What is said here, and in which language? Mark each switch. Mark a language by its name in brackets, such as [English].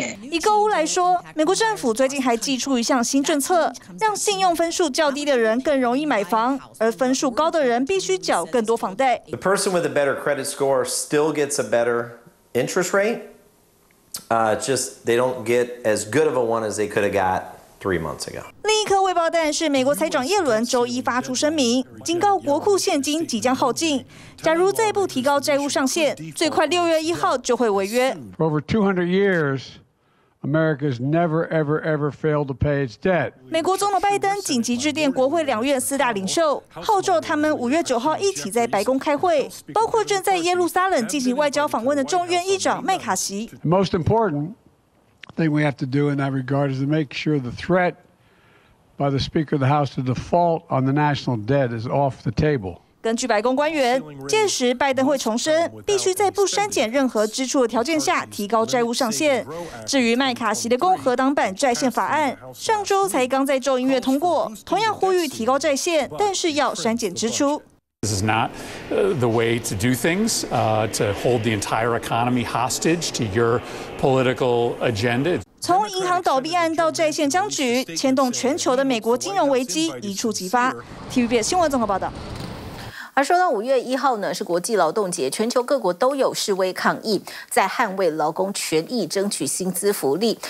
[Chinese] 以购物来说，美国政府最近还祭出一项新政策，让信用分数较低的人更容易买房，而分数高的人必须缴更多房贷。 [English] The person with a better credit score still gets a better interest rate. Just they don't get as good of a one as they could have got three months ago. [Chinese] 另一颗未爆弹是，美国财长耶伦周一发出声明，警告国库现金即将耗尽。假如再不提高债务上限，最快6月1号就会违约。 [English] For over 200 years, America has never, ever, ever failed to pay its debt. [Chinese] 美国总统拜登紧急致电国会两院四大领袖，号召他们5月9号一起在白宫开会，包括正在耶路撒冷进行外交访问的众院议长麦卡锡。 [English] Most important thing we have to do in that regard is to make sure the threat by the Speaker of the House to default on the national debt is off the table. [Chinese] 根据白宫官员，届时拜登会重申必须在不删减任何支出的条件下提高债务上限。至于麦卡锡的共和党版债限法案，上周才刚在众议院通过，同样呼吁提高债限，但是要删减支出。 [English] This is not the way to do things, to hold the entire economy hostage to your political agenda. [Chinese] 从银行倒闭案到债券僵局，牵动全球的美国金融危机一触即发。 TVB 新闻综合报道。而说到5月1号呢，是国际劳动节，全球各国都有示威抗议，在捍卫劳工权益，争取薪资福利。